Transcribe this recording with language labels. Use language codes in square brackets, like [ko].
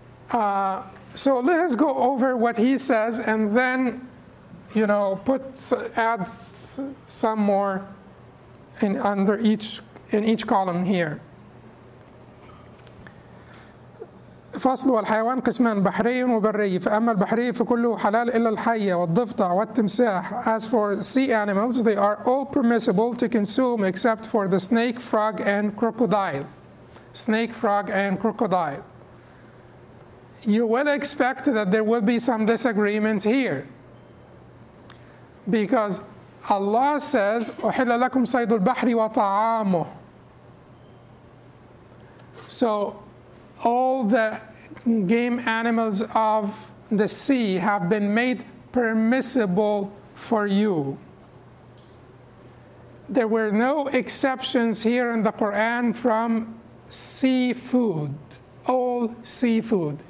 [en] So let us go over what he says and then, you know, add some more in each column here. [ar] فصل والحيوان قسمان بحري وبري فأما البحري فكله حلال إلا الحية والضفدع والتمساح. [en] As for sea animals, they are all permissible to consume except for the snake, frog, and crocodile. Snake, frog, and crocodile. You will expect that there will be some disagreement here. Because Allah says, [ar] أحل لكم صيد البحر وطعامه. [en] So all the game animals of the sea have been made permissible for you. There were no exceptions here in the Quran from seafood, all seafood.